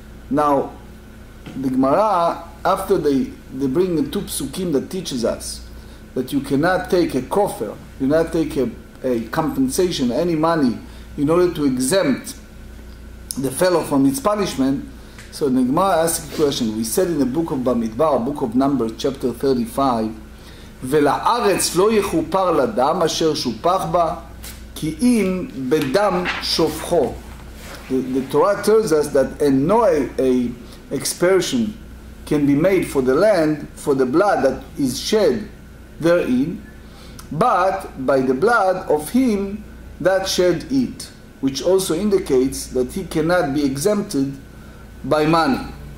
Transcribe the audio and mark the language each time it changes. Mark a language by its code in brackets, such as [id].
[en] Now, the Gemara, after they bring the two psukim that teaches us that you cannot take a kofer, you cannot take a compensation, any money, in order to exempt the fellow from its punishment. So the Gemara asks a question. [he] We said in the book of Bamidbar, book of Numbers, chapter 35, ולארץ לא יחופר לדם אשר שופח בה, כי אם בדם שופחו. [en] The Torah tells us that no expiation can be made for the land for the blood that is shed therein, but by the blood of him that shed it, which also indicates that he cannot be exempted by money.